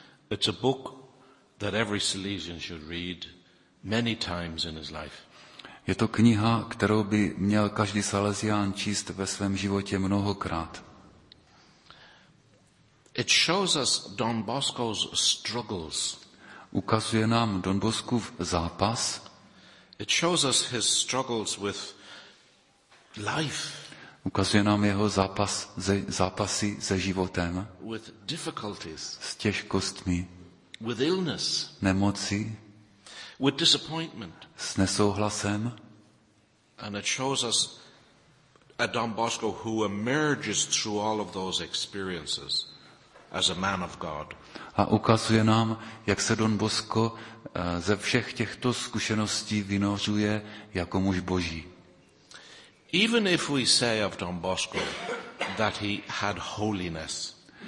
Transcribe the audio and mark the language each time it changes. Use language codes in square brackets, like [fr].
[en] It's a book that every Salesian should read many times in his life. [cs] Je to kniha, kterou by měl každý Salesián číst ve svém životě mnohokrát. [en] It shows us Don Bosco's struggles. [cs] Ukazuje nám Don Boscův zápas. [en] It shows us his struggles with life. [cs] Ukazuje nám jeho zápasy se životem. [en] With difficulties. [cs] S těžkostmi. [en] With illness. [cs] Nemocí. [en] With disappointment. [cs] S nesouhlasem. [en] And it shows us a Don Bosco who emerges through all of those experiences as a man of God. [cs] A ukazuje nám, jak se Don Bosco ze všech těchto zkušeností vynořuje jako muž Boží. [en] Even if we say of Don Bosco that he had holiness.